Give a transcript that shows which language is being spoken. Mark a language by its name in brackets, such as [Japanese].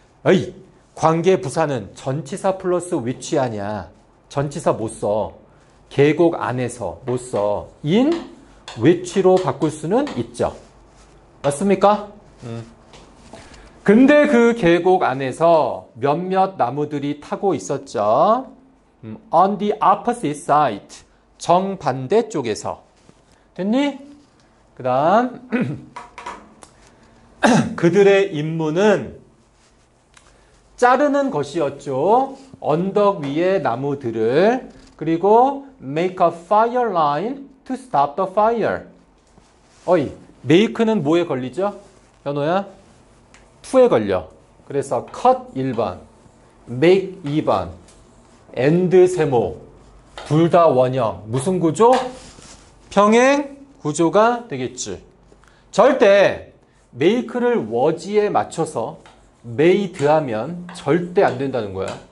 [Korean] 에이, 관계 부사는 전치사 플러스 위치 아니야. 전치사 못 써. 계곡 안에서 못 써. in, which로 바꿀 수는 있죠. 맞습니까? 근데 그 계곡 안에서 몇몇 나무들이 타고 있었죠. [English] On the opposite side, [Korean] 정반대 쪽에서. 됐니? 그 다음 그들의 임무는 자르는 것이었죠. 언덕 위에 나무들을. 그리고 [English] make a fire line to stop the fire. [Korean] 어이, make는 뭐에 걸리죠? 현호야? to에 걸려. 그래서 cut 1번, make 2번, end 세모. 둘 다 원형. 무슨 구조? 평행 구조가 되겠지. 절대 make를 was에 맞춰서 made 하면 절대 안 된다는 거야.